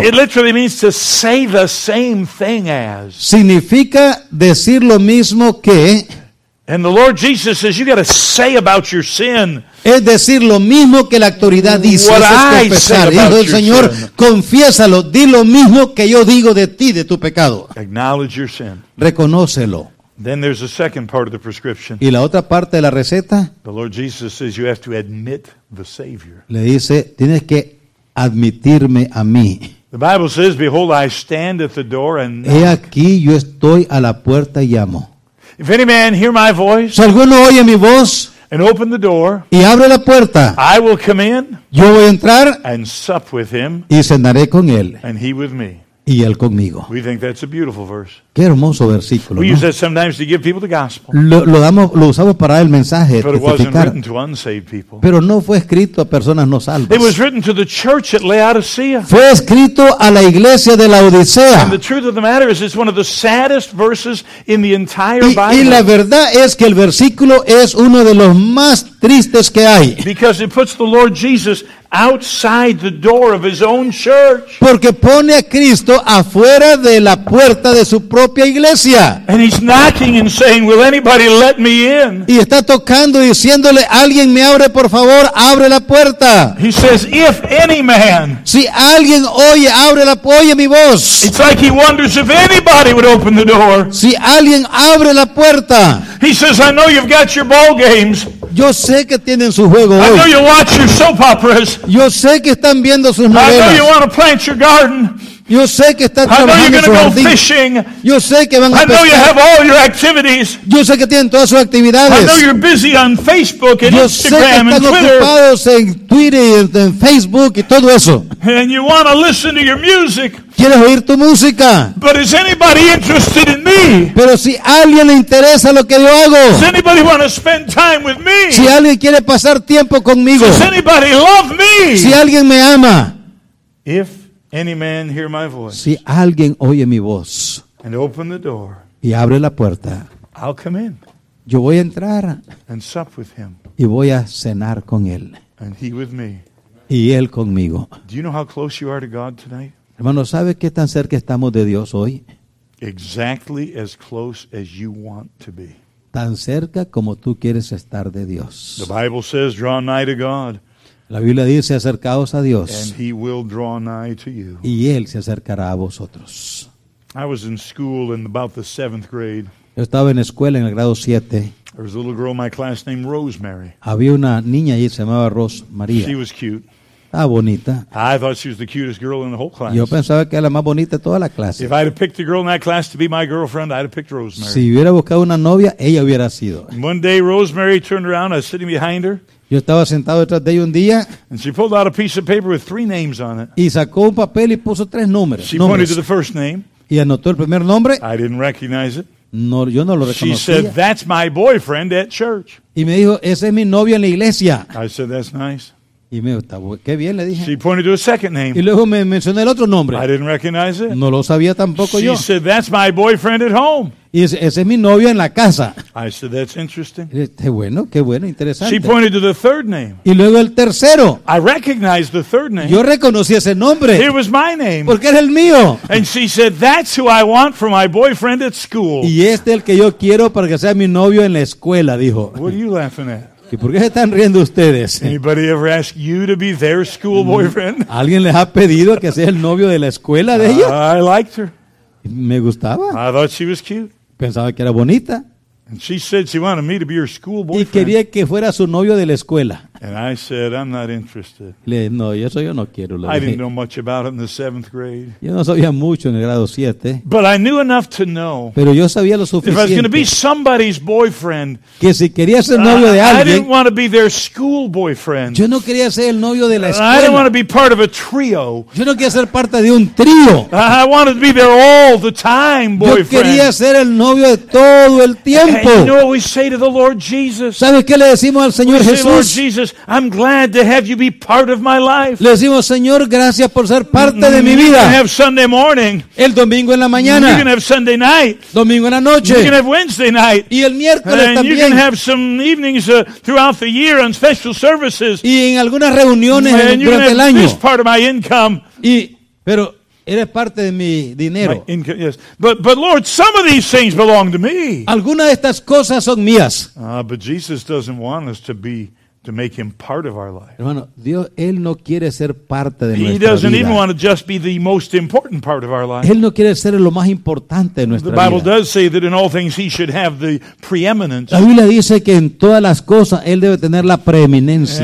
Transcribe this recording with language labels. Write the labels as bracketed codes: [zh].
[en] It literally means to say the same thing as. [es] Significa decir lo mismo que. [en] And the Lord Jesus says you got to say about your sin. [es] Es decir lo mismo que la autoridad dice. [en] What [es] es confesar. Hijo del Señor, [en] sin. [es] Confiésalo. Di lo mismo que yo digo de ti, de tu pecado. [en] Acknowledge your sin. [es] Reconócelo. [en] Then there's a second part of the prescription. [es] ¿Y la otra parte de la receta? [en] The Lord Jesus says you have to admit the Savior. [es] Le dice, tienes que admitirme a mí. [en] The Bible says, behold, I stand at the door and knock. [es] He aquí, yo estoy a la puerta y llamo. [en] If any man hear my voice, [es] si alguno oye mi voz, [en] and open the door, [es] y abre la puerta, [en] I will come in, [es] yo voy a entrar, [en] and sup with him, [es] y cenaré con él, [en] and he with me. [es] Y él conmigo. [en] We think that's a beautiful verse. [es] Qué hermoso versículo. [en] We [es] ¿no? [en] use that sometimes to give people the gospel. [es] Lo usamos para el mensaje. [en] But it wasn't written to unsaved people. [es] Pero no fue escrito a personas no salvas. [en] It was written to the church at Laodicea. [es] Fue escrito a la iglesia de la Odisea. [en] And the truth of the matter is, it's one of the saddest verses in the entire [es] y, [en] Bible. [es] Y la verdad es que el versículo es uno de los más tristes que hay. [en] Because it puts the Lord Jesus outside the door of his own church. [es] Porque pone a Cristo afuera de la puerta de su propia iglesia. [en] And he's knocking and saying, will anybody let me in? [es] Y está tocando y diciéndole, alguien me abre, por favor, abre la puerta. [en] He says, if any man. [es] Si alguien oye, abre la oye mi voz. [en] It's like he wonders if anybody would open the door. [es] Si alguien abre la puerta. [en] He says, I know you've got your ball games. [es] Yo sé que tienen su juego hoy. [en] I know you watch your soap operas. [es] Yo sé que están viendo sus novelas. [en] I know you want to plant your garden. [es] Yo sé que están trabajando en su jardín. [en] I know you're going to go fishing. [es] Yo sé que van a pescar. [en] I know you have all your activities. [es] Yo sé que tienen todas sus actividades. [en] I know you're busy on Facebook and [es] yo [en] Instagram [es] sé que están [en] and Twitter. [es] Ocupados en Twitter y en Facebook y todo eso. [en] And you want to listen to your music. [es] ¿Quieres oír tu música? [en] But is anybody interested in me? [es] Pero si alguien le interesa lo que yo hago. [en] Does anybody want to spend time with me? [es] Si alguien quiere pasar tiempo conmigo. [en] Does anybody love me? [es] Si alguien me ama. [en] If any man hear my voice. [es] Si alguien oye mi voz. [en] And open the door. [es] Y abre la puerta. [en] I'll come in. [es] Yo voy a entrar. [en] And sup with him. [es] Y voy a cenar con él. [en] And he with me. [es] Y él conmigo. [en] Do you know how close you are to God tonight? [es] Hermano, ¿sabe qué tan cerca estamos de Dios hoy? [en] Exactly as close as you want to be. [es] Tan cerca como tú quieres estar de Dios. [en] The Bible says, draw nigh to God. [es] La Biblia dice, acercaos a Dios. [en] And he will draw nigh to you. [es] Y él se acercará a vosotros. [en] I was in school in about the seventh grade. [es] Yo estaba en escuela en el grado 7. [en] There was a little girl in my class named Rosemary. [es] Había una niña allí, se llamaba Rosemaría. [en] She was cute. [es] Ah, bonita. [en] I thought she was the cutest girl in the whole class. [es] Yo pensaba que era la más bonita de toda la clase. [en] If I had picked a girl in that class to be my girlfriend, I'd have picked Rosemary. [es] Si hubiera buscado una novia, ella hubiera sido. [en] One day Rosemary turned around, I was sitting behind her. [es] Yo estaba sentado detrás de ella un día. [en] And she pulled out a piece of paper with three names on it. [es] Y sacó un papel y puso tres números. [en] She pointed to the first name. [es] Y anotó el primer nombre. [en] I didn't recognize it. [es] No, yo no lo reconocía. [en] She said, "That's my boyfriend at church." [es] Y me dijo, "Ese es mi novio en la iglesia." [en] I said, "That's nice." [es] Y me dijo, qué bien, le dije. [en] She pointed to a second name. [es] Y luego me mencionó el otro nombre. [en] I didn't recognize it. [es] No lo sabía tampoco [en] she [es] yo. [en] She said, "That's my boyfriend at home." [es] Y dice, ese es mi novio en la casa. [en] I said, "That's interesting." [es] Qué bueno, qué bueno, interesante. [en] She pointed to the third name. [es] Y luego el tercero. [en] I recognized the third name. [es] Yo reconocí ese nombre. [en] It was my name. [es] Porque era el mío. [en] And she said, "That's who I want for my boyfriend at school." [es] Y este es el que yo quiero para que sea mi novio en la escuela, dijo. [en] What are you laughing at? [es] ¿Por qué se están riendo ustedes? [en] Anybody ever ask you to be their school boyfriend? [es] ¿Alguien les ha pedido que sea el novio de la escuela de ella? [en] I liked her. [es] Me gustaba. [en] I thought she was cute. [es] Pensaba que era bonita. [en] And she said she wanted me to be her school boyfriend. [es] Y quería que fuera su novio de la escuela. [en] And I said, "I'm not interested." [es] Le dije, no, eso yo no quiero. Le dije. [en] I didn't know much about it in the seventh grade. [es] Yo no sabía mucho en el grado 7. [en] But I knew enough to know. [es] Pero yo sabía lo suficiente. [en] If I was going to be somebody's boyfriend, [es] que si quería ser novio de alguien, [en] I didn't want to be their school boyfriend. [es] Yo no quería ser el novio de la escuela. [en] I didn't want to be part of a trio. [es] Yo no quería ser parte de un trío. [en] I wanted to be their all the time boyfriend. [es] Yo quería ser el novio de todo el tiempo. [en] And you know what we say to the Lord Jesus? [es] ¿Sabes qué le decimos al Señor Jesús? [en] Lord Jesus, I'm glad to have you be part of my life. [es] Le decimos, Señor, gracias por ser parte de mi vida. [en] You can have Sunday morning. [es] El domingo en la mañana. [en] You can have Sunday night. [es] Domingo en la noche. [en] You can have Wednesday night. [es] Y el miércoles [en] and [es] también. [en] You can have some evenings throughout the year on special services. [es] Y en algunas reuniones [en] and [es] durante [en] you can [es] el año. [en] This part of my income. [es] Y pero eres parte de mi dinero. [en] My income, yes. But Lord, some of these things belong to me. [es] Algunas de estas cosas son mías. [en] But Jesus doesn't want us to be to make him part of our life. [es] Hermano, Dios, él no quiere ser parte de nuestra vida. [en] He doesn't even want to just be the most important part of our life. [es] Él no quiere ser lo más importante de nuestra vida. [en] The Bible [es] vida. [en] Does say that in all things he should have the preeminence. [es] La Biblia dice que en todas las cosas él debe tener la preeminencia.